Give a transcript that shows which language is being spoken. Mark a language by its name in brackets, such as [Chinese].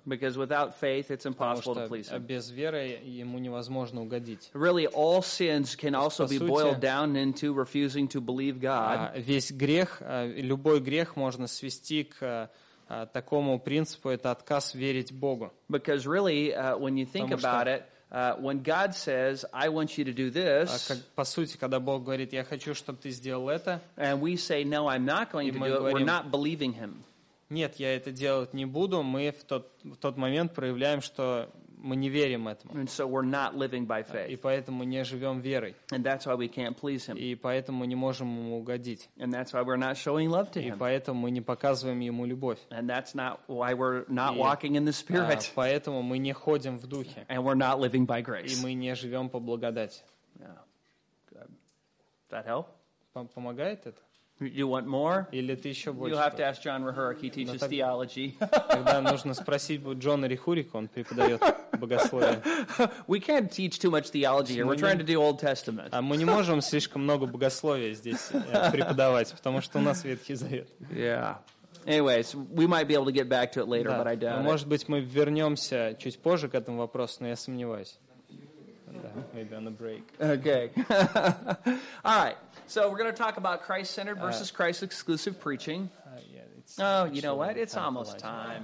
[English] Because without faith, it's impossible to please Him. [Russian] Без веры ему невозможно угодить. [English] Really, all sins can also be boiled down into refusing to believe God. [Russian] Весь грех, любой грех можно свести к такому принципу, это отказ верить Богу. [English] Because really, when you think about it, When God says, "I want you to do this," [Russian] по сути, когда Бог говорит, я хочу, чтобы ты сделал это, [English] and we say, "No, I'm not going to do it," we're not believing Him. [Russian] Нет, я это делать не буду. Мы в тот момент проявляем, что мы не верим этому. [English] And so we're not living by faith. [Russian] И поэтому не живем верой. [English] And that's why we can't please Him. [Russian] И поэтому не можем ему угодить. [English] And that's why we're not showing love to Him. [Russian] И поэтому мы не показываем ему любовь. [English] And that's not why we're not walking in the Spirit. [Russian] Поэтому мы не ходим в духе. [English] And we're not living by grace. [Russian] И мы не живем по благодати. [English] Yeah. That help? [Russian] Помогает это? [English] You want more? [Russian] Или ты еще больше? [English] You'll have to ask John Rehurek. He teaches theology. [Russian] Тогда нужно спросить Джона Рехурика, он преподает богословие. [English] We can't teach too much theology here. We're trying to do Old Testament. [Russian] А мы не можем слишком много богословия здесь преподавать, потому что у нас Ветхий Завет. [English] Yeah. Anyways, we might be able to get back to it later, but I doubt. [Russian] Может быть, мы вернемся чуть позже к этому вопросу, но я сомневаюсь. [English] Maybe on the break. Okay. All right. So we're going to talk about Christ-centered versus Christ-exclusive preaching. Yeah, oh, you know what? It's almost time.